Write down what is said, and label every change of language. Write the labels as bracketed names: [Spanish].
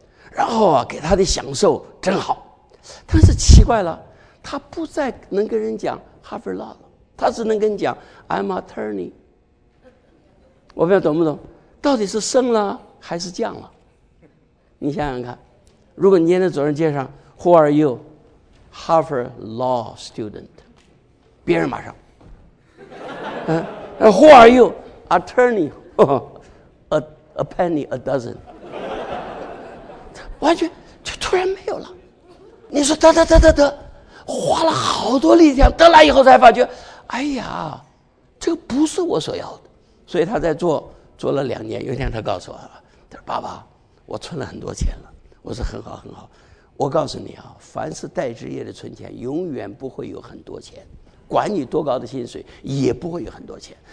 [Chinese] 然后啊，给他的享受真好。但是奇怪了，他不再能跟人讲 Harvard Law 了，他只能跟你讲 [English] I'm attorney。 [Chinese] 我不知道懂不懂？到底是升了还是降了？你想想看，如果你今天走上街上 ， [English] Who are you？ Harvard Law student。 [Chinese] 别人马上 [English] Who are you? Attorney a penny a dozen， [Chinese] 完全就突然没有了。你说得花了好多力量得来以后才发觉，哎呀，这个不是我所要的。所以他在做了2年，有一天他告诉我，他说爸爸，我存了很多钱了。我说很好很好，我告诉你啊，凡是带职业的存钱永远不会有很多钱，管你多高的薪水也不会有很多钱。